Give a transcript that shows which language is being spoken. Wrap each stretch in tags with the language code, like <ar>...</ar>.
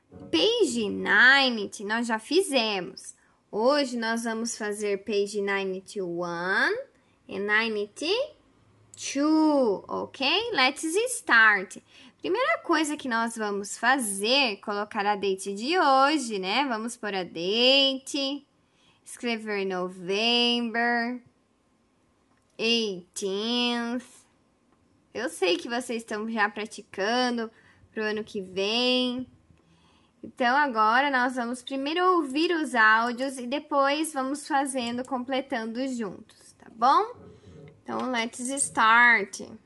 <pt>Page 90, nós já fizemos. Hoje, nós vamos fazer page 91 e 92, ok?</pt> <en>Let's start.</en> <pt>Primeira coisa que nós vamos fazer, colocar a date de hoje, né? Vamos pôr a date, escrever November 18th. Eu sei que vocês estão já praticando pro ano que vem. Então, agora nós vamos primeiro ouvir os áudios e depois vamos fazendo, completando juntos, tá bom?</pt> <en>Então, let's start.</en>